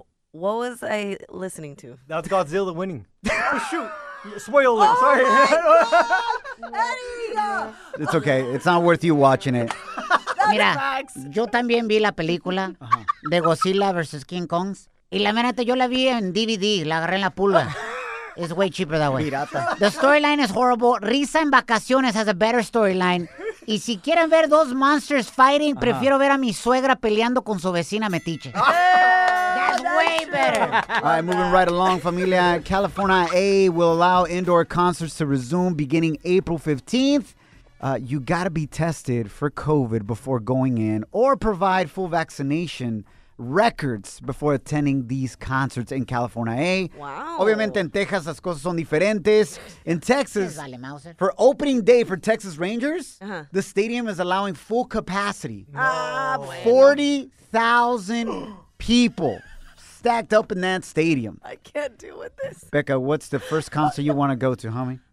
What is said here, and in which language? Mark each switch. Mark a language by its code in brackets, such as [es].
[en] What was I listening to? That's Godzilla winning. Oh, shoot. Spoiler. Sorry. God. It's okay. It's not worth you watching it. That's [es] Mira, [en] facts. [es] Yo también vi la película de Godzilla versus King Kong. Y la mera, yo la vi en DVD. La agarré en la pulga. [en] It's way cheaper that way. [es] Pirata. [en] The storyline is horrible. [es] Risa en Vacaciones [en] has a better storyline. [es] Y si quieren ver dos [en] monsters fighting, [es] prefiero ver a mi suegra peleando con su vecina metiche. [en] Way better. All right, moving right along, familia. California A will allow indoor concerts to resume beginning April 15th. You got to be tested for COVID before going in or provide full vaccination records before attending these concerts in California A. Wow. [es] Obviamente, en Texas, las cosas son diferentes. [en] In Texas, for opening day for Texas Rangers, the stadium is allowing full capacity. No. 40,000 people. Stacked up in that stadium. I can't deal with this. Becca, what's the first concert you want to go to, homie?